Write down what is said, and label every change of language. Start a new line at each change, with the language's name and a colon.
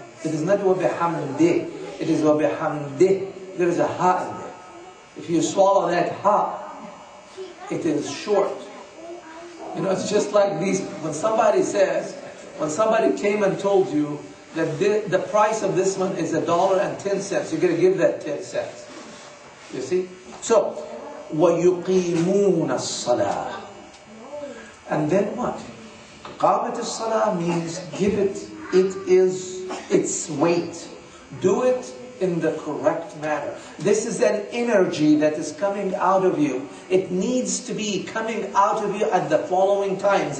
English: It is not وبحمده, it is وبحمده. There is a ha in there. If you swallow that ha, it is short. You know, it's just like these, when somebody says, when somebody came and told you that the price of this one is $1.10, you're going to give that 10 cents. You see?
Arabic: So, وَيُقِيمُونَ الصَّلَاةِ.
English: And then what?
Arabic: قامت الصلاة
English: means give it, it is its weight. Do it in the correct manner. This is an energy that is coming out of you. It needs to be coming out of you at the following times.